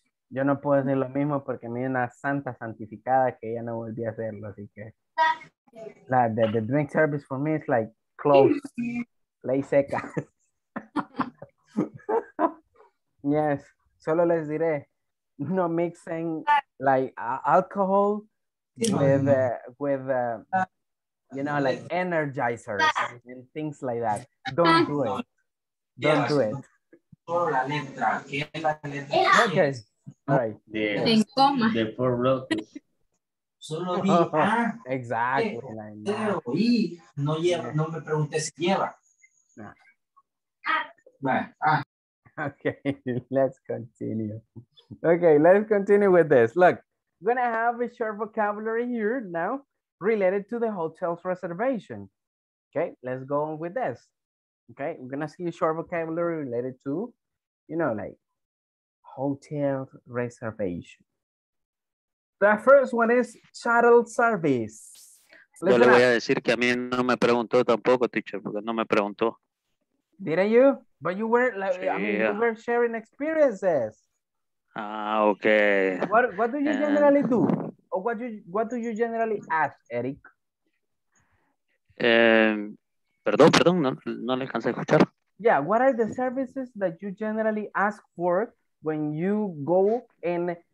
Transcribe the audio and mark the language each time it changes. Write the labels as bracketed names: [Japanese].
[Spanish] Yo no puedo decir lo mismo porque me dio una santa santificada que ya no volví a hacerlo, así que. [English] The drink service for me is like closed. [Spanish] Ley seca. [English] Yes. [Spanish] Solo les diré, [English] no mixing like alcohol with you know, like energizers and things like that. Don't do it. Don't do it. Okay. All right. Yes. The four blocks. [Spanish] Solo di A. [English] Exactly. [Spanish] Pero, like, no. Pero y no lleva, no me preguntes si lleva. No. Ah. [English] Okay, let's continue. Okay, let's continue with this. Look, we're going to have a short vocabulary here now related to the hotel's reservation. Okay, let's go on with this. Okay, we're going to see a short vocabulary related to, you know, like hotel reservation. The first one is shuttle service. Listen. [Spanish] Yo le voy a decir que a mí no me preguntó tampoco, teacher, porque no me preguntó. [English] Didn't you? But you were, like, yeah. I mean, you were sharing experiences. Ah, okay. What do you generally do? Or what do you generally ask, Eric? [Spanish] Perdón, no le alcancé a escuchar. [English] Yeah, what are the services that you generally ask for when you go in?